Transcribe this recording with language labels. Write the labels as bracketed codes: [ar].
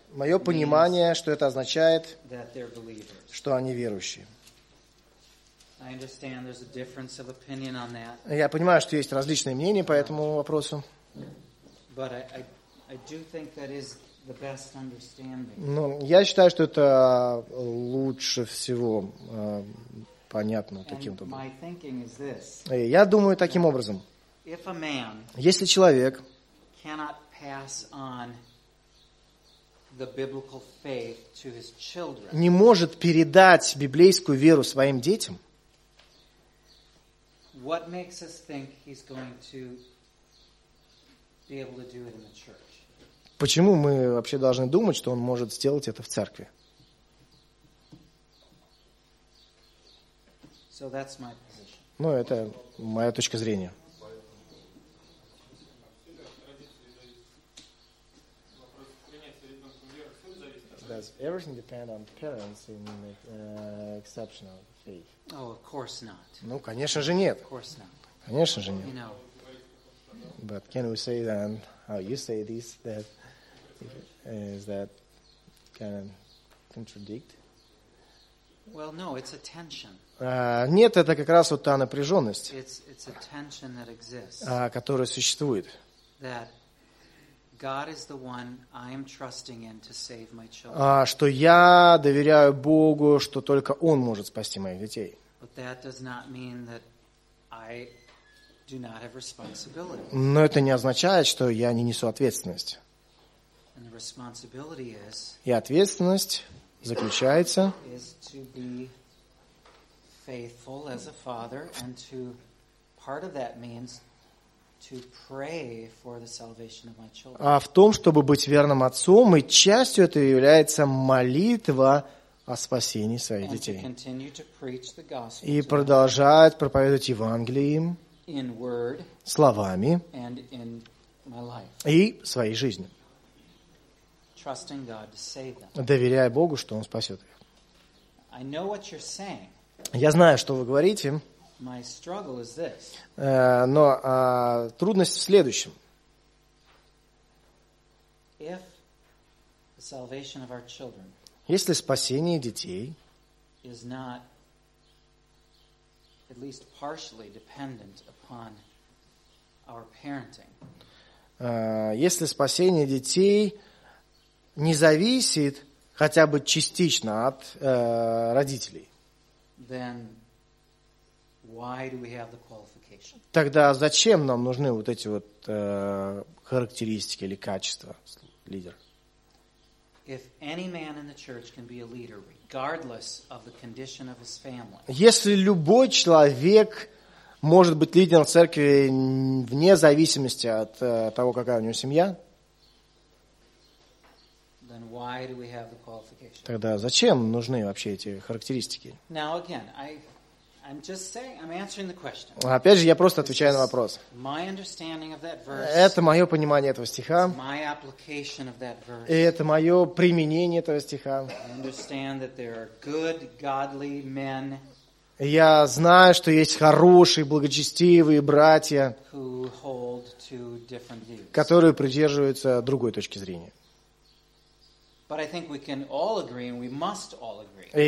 [ru] Моё понимание, что это означает. [en] That they're believers. [ru] Что они верующие. [en] I understand there's a difference of opinion on that. [ru] Я понимаю, что есть различные мнения по этому вопросу. [en] But I do think that is the best understanding. [ru] Но я считаю, что это лучше всего понятно таким образом. [en] My thinking is this. [ru] Я думаю таким образом. [en] If a man, [ru] если человек [en] cannot pass on the biblical faith to his children, [ru] не может передать библейскую веру своим детям, [en] what makes us think he's going to be able to do it in the church? [ru] Почему мы вообще должны думать, что он может сделать это в церкви? [en] So that's my position. [ru] Ну, это моя точка зрения. [en] Does everything depend on parents in exceptional faith? Oh, of course not. [ru] Ну, конечно же, нет. [en] Of course not. [ru] Конечно же, нет. [en] You know. But can we say then, how you say this, that is that kind of contradict? Well, no, it's a tension. [ru] Нет, это как раз вот та напряженность, [en] it's a tension that exists, [ru] которая существует. [en] That God is the one I am trusting in to save my children. [ru] Что я доверяю Богу, что только Он может спасти моих детей. [en] But that does not mean that I do not have responsibility. [ru] Но это не означает, что я не несу ответственность. [en] And the responsibility is. [ru] И ответственность заключается. [en] Is to be faithful as a father, and to part of that means. To pray for the salvation of my children. [ru] А в том, чтобы быть верным отцом, и частью этого является молитва о спасении своих детей. [en] And to continue to preach the gospel. [ru] И продолжать проповедовать Евангелие им [en] in word, [ru] словами [en] and in my life. [ru] И своей жизнью. [en] Trusting God to save them. [ru] Доверяя Богу, что Он спасет их. [en] I know what you're saying. [ru] Я знаю, что вы говорите. [en] My struggle is this. [ru] Трудность в следующем. [en] If the salvation of our children [ru] Если спасение детей [en] is not at least partially dependent upon our parenting. [ru] Если спасение детей не зависит хотя бы частично от родителей. [en] Then Why do we have the qualification? [ru] Тогда зачем нам нужны вот эти вот характеристики или качества лидера? [en] If any man in the church can be a leader, regardless of the condition of his family. [ru] Если любой человек может быть лидером церкви вне зависимости от того, какая у него семья, [en] then why do we have the qualification? [ru] Тогда зачем нужны вообще эти характеристики? [en] Now again, I'm just saying, I'm answering the question. [ru] Опять же, я просто отвечаю на вопрос. [en] My understanding of that verse. [ru] Это мое понимание этого стиха. [en] My application of that verse. [ru] И это мое применение этого стиха. [en] I understand that there are good, godly men. [ru] Я знаю, что есть хорошие, благочестивые братья, [en] who hold to different views. [ru] Которые придерживаются другой точки зрения. [en] But I think we can all agree, and we must all agree.